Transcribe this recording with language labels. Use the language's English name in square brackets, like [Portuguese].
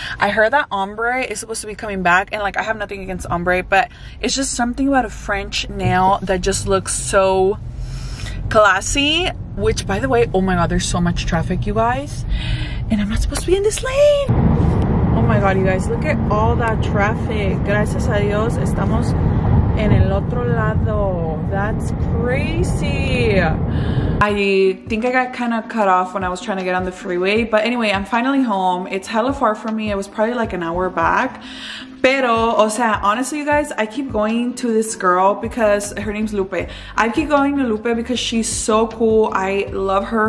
[English] I heard that ombre is supposed to be coming back, and like, I have nothing against ombre, but it's just something about a French nail that just looks so classy. Which, by the way, oh my god, there's so much traffic, you guys, and I'm not supposed to be in this lane. Oh my god, you guys, look at all that traffic. [Spanish] Gracias a Dios, estamos en el otro lado. [English] That's crazy. I think I got kind of cut off when I was trying to get on the freeway. But anyway, I'm finally home. It's hella far from me. It was probably like an hour back. [Spanish] Pero, o sea, [English] honestly, you guys, I keep going to this girl because her name's Lupe. I keep going to Lupe because she's so cool. I love her.